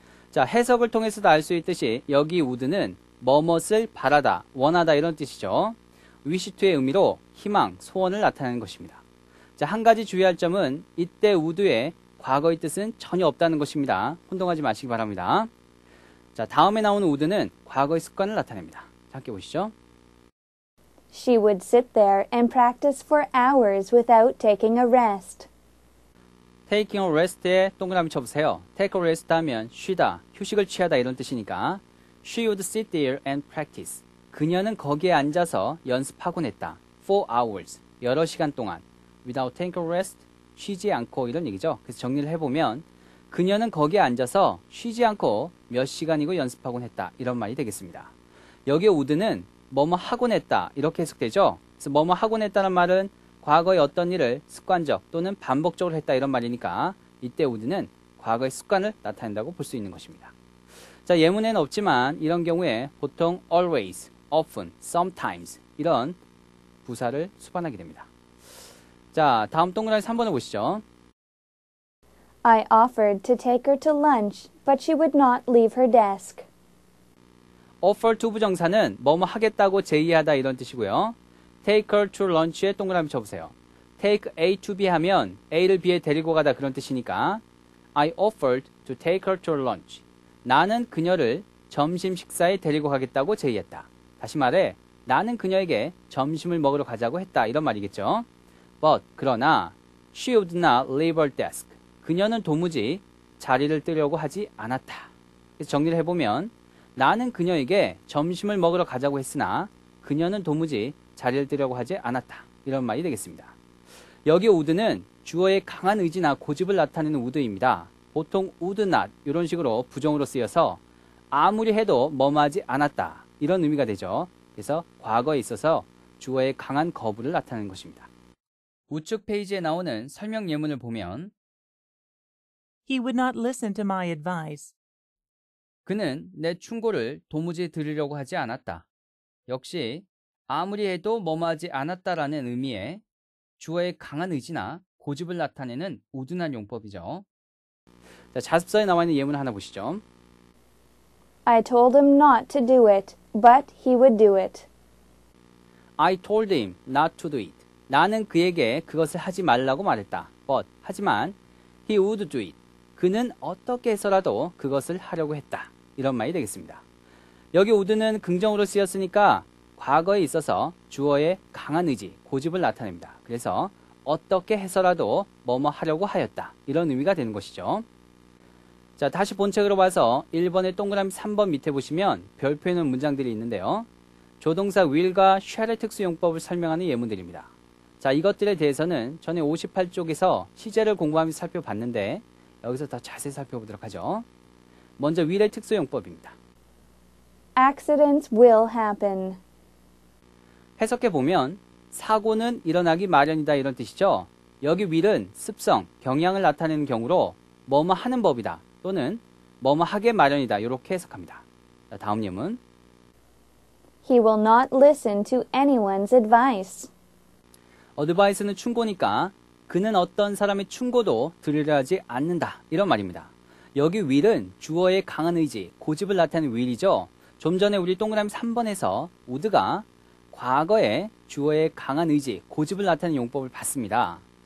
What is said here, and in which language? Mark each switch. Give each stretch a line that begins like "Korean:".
Korean: 자 해석을 통해서도 알 수 있듯이 여기 would는 무엇을 바라다 원하다 이런 뜻이죠. wish to의 의미로 희망, 소원을 나타내는 것입니다. 자, 한 가지 주의할 점은 이때 would의 과거의 뜻은 전혀 없다는 것입니다. 혼동하지 마시기 바랍니다. 자, 다음에 나오는 would는 과거의 습관을 나타냅니다. 함께 보시죠.
English: She would sit there and practice for hours without taking a rest. Taking a rest
Korean: 에 동그라미 쳐보세요.
English: Take a rest
Korean: 하면 쉬다, 휴식을 취하다 이런 뜻이니까
English: She would sit there and practice.
Korean: 그녀는 거기에 앉아서 연습하곤 했다.
English: For hours,
Korean: 여러 시간 동안.
English: Without taking a rest,
Korean: 쉬지 않고 이런 얘기죠. 그래서 정리를 해보면 그녀는 거기에 앉아서 쉬지 않고 몇 시간이고 연습하곤 했다. 이런 말이 되겠습니다. 여기에 would는 뭐뭐 하곤 했다. 이렇게 해석되죠. 그래서 뭐뭐 하곤 했다는 말은 과거의 어떤 일을 습관적 또는 반복적으로 했다. 이런 말이니까 이때 would는 과거의 습관을 나타낸다고 볼 수 있는 것입니다. 자, 예문에는 없지만 이런 경우에 보통 always, often, sometimes 이런 부사를 수반하게 됩니다. 자, 다음 동그라미 3번을 보시죠.
English: I offered to take her to lunch, but she would not leave her desk.
Korean: offer to 부정사는 뭐뭐 하겠다고 제의하다 이런 뜻이고요.
English: take her to lunch에
Korean: 동그라미 쳐보세요.
English: take A to B
Korean: 하면 A를 B에 데리고 가다 그런 뜻이니까
English: I offered to take her to lunch.
Korean: 나는 그녀를 점심 식사에 데리고 가겠다고 제의했다. 다시 말해, 나는 그녀에게 점심을 먹으러 가자고 했다. 이런 말이겠죠.
English: But,
Korean: 그러나,
English: she would not leave her desk.
Korean: 그녀는 도무지 자리를 뜨려고 하지 않았다. 그래서 정리를 해보면, 나는 그녀에게 점심을 먹으러 가자고 했으나, 그녀는 도무지 자리를 뜨려고 하지 않았다. 이런 말이 되겠습니다. 여기 would는 주어의 강한 의지나 고집을 나타내는 would입니다. 보통 would not 이런 식으로 부정으로 쓰여서 아무리 해도 뭐뭐하지 않았다 이런 의미가 되죠. 그래서 과거에 있어서 주어의 강한 거부를 나타내는 것입니다. 우측 페이지에 나오는 설명 예문을 보면
English: He would not listen to my advice.
Korean: 그는 내 충고를 도무지 들으려고 하지 않았다. 역시 아무리 해도 뭐뭐하지 않았다라는 의미에 주어의 강한 의지나 고집을 나타내는 would not 용법이죠. 자, 자습서에 나와 있는 예문 하나 보시죠.
English: I told him not to do it, but he would do it. I told him not to do it.
Korean: 나는 그에게 그것을 하지 말라고 말했다.
English: But,
Korean: 하지만,
English: he would do it.
Korean: 그는 어떻게 해서라도 그것을 하려고 했다. 이런 말이 되겠습니다. 여기 would는 긍정으로 쓰였으니까 과거에 있어서 주어의 강한 의지, 고집을 나타냅니다. 그래서 어떻게 해서라도 뭐뭐 하려고 하였다. 이런 의미가 되는 것이죠. 자, 다시 본책으로 봐서 1번의 동그라미 3번 밑에 보시면 별표에 있는 문장들이 있는데요. 조동사 will과 shall의 특수용법을 설명하는 예문들입니다. 자, 이것들에 대해서는 전에 58쪽에서 시제를 공부하면서 살펴봤는데 여기서 더 자세히 살펴보도록 하죠. 먼저 will의 특수용법입니다.
English: Accidents will happen.
Korean: 해석해보면 사고는 일어나기 마련이다 이런 뜻이죠. 여기 will은 습성, 경향을 나타내는 경우로 뭐뭐 하는 법이다. 또는 뭐뭐 하게 마련이다. 이렇게 해석합니다. 자, 다음 예문.
English: He will not listen to anyone's advice.
Korean: advice는 충고니까 그는 어떤 사람의 충고도 들으려 하지 않는다. 이런 말입니다. 여기 will은 주어의 강한 의지, 고집을 나타내는 will이죠. 좀 전에 우리 동그라미 3번에서 would가 과거에 주어의 강한 의지, 고집을 나타내는 용법을 봤습니다.